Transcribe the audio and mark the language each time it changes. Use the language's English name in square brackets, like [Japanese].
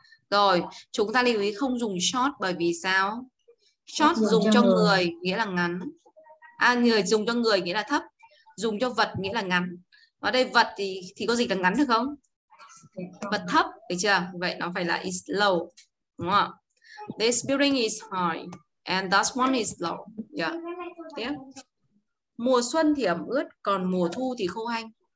[Vietnamese] Rồi, chúng ta lưu ý không dùng short bởi vì sao? Short dùng cho người nghĩa là ngắn. À, người dùng cho người nghĩa là thấp. dùng cho vật nghĩa là ngắn. Ở đây vật thì có dịch là ngắn được không? Vật thấp, được chưa? Vậy nó phải là is low, đúng không? [English] This building is high and that one is low. [Vietnamese] Yeah. Tiếp. Mùa xuân thì ẩm ướt, còn mùa thu thì khô hanh.